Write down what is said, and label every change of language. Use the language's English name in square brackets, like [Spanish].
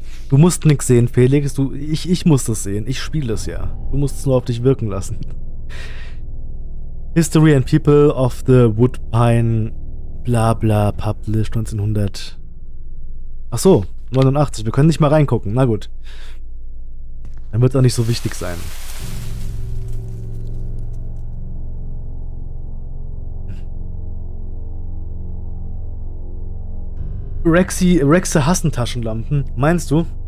[German] Du musst nichts sehen, Felix. Ich muss das sehen. Ich spiele das ja. Du musst es nur auf dich wirken lassen. [English] History and People of the Woodpine bla bla published 1900. [German] Ach so, 89. Wir können nicht mal reingucken. Na gut. Dann wird es auch nicht so wichtig sein. Rexe hassen Taschenlampen. Meinst du?